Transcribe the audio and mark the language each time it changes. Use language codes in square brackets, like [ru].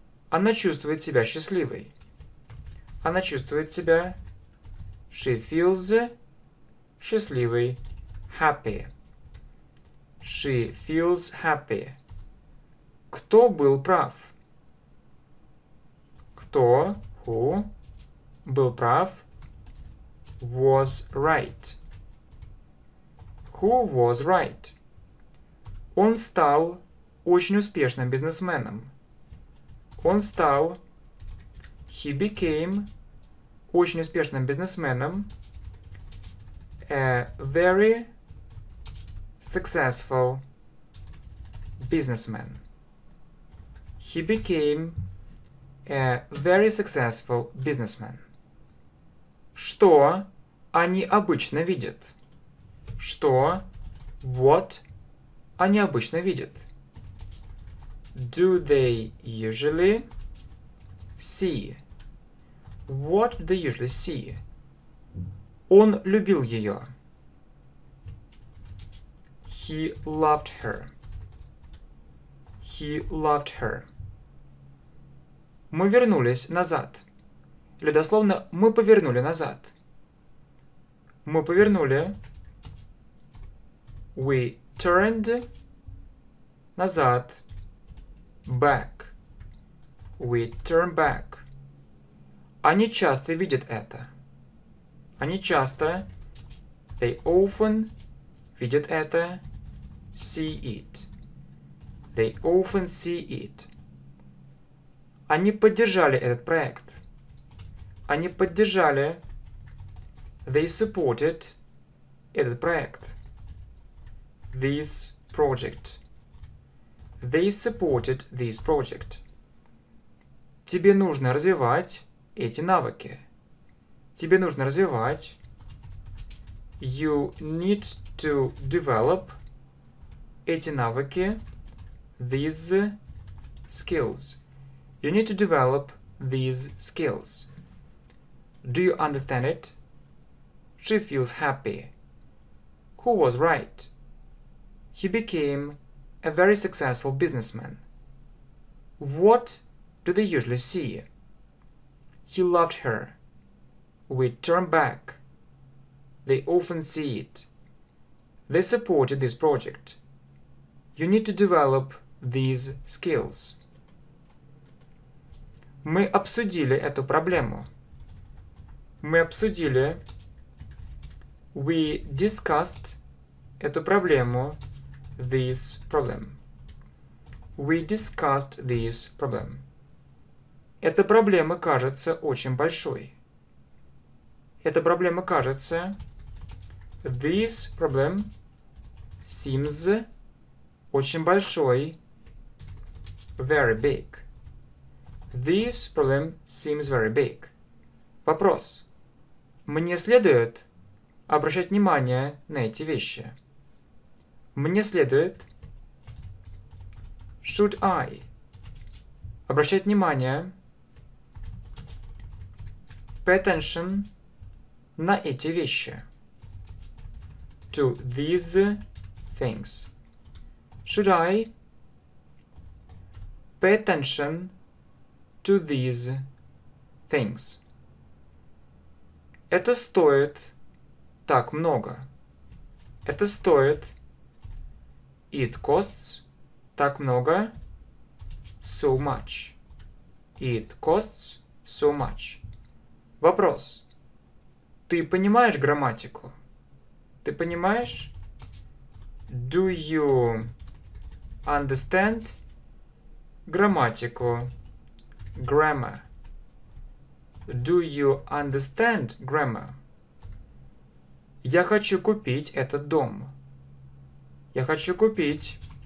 [ru] Она чувствует себя счастливой. Она чувствует себя. [en] She feels [ru] счастливой. [en] Happy. She feels happy. [ru] Кто был прав? Кто? [en] Who? [ru] Был прав? [en] Was right. Who was right? [ru] Он стал очень успешным бизнесменом. Он стал. [en] He became [ru] очень успешным бизнесменом. [en] A very successful businessman. He became a very successful businessman. [ru] Что они обычно видят? Что? [en] What [ru] они обычно видят? [en] Do they usually see? What do they usually see? [ru] Он любил ее. [en] He loved her. He loved her. [ru] Мы вернулись назад. Или дословно, мы повернули назад. Мы повернули. [en] We turned [ru] назад. [en] back. We turn back. [ru] Они часто видят это. Они часто. [en] They often [ru] видят это. [en] See it. They often see it. [ru] Они поддержали этот проект. Они поддержали. [en] They supported [ru] этот проект. [en] This project. They supported this project. [ru] Тебе нужно развивать эти навыки. Тебе нужно развивать. [en] You need to develop [ru] эти навыки. [en] These skills. You need to develop these skills. Do you understand it? She feels happy. Who was right? He became a very successful businessman. What do they usually see? He loved her. We turn back. They often see it. They supported this project. You need to develop these skills. [ru] Мы обсудили эту проблему. Мы обсудили. [en] We discussed [ru] эту проблему. [en] This problem. We discussed this problem. [ru] Эта проблема кажется очень большой. Эта проблема кажется. [en] This problem seems [ru] очень большой. [en] Very big. This problem seems very big. [ru] Вопрос. Мне следует обращать внимание на эти вещи. Мне следует. [en] Should I [ru] обращать внимание. [en] Pay attention [ru] на эти вещи. [en] To these things. Should I pay attention to these things? [ru] Это стоит так много. Это стоит. [en] It costs [ru] так много. [en] So much. It costs so much. [ru] Вопрос. Ты понимаешь грамматику? Ты понимаешь? [en] Do you understand [ru] грамматику? [en] Grammar. Do you understand grammar? [ru] Я хочу купить этот дом. Я хочу купить.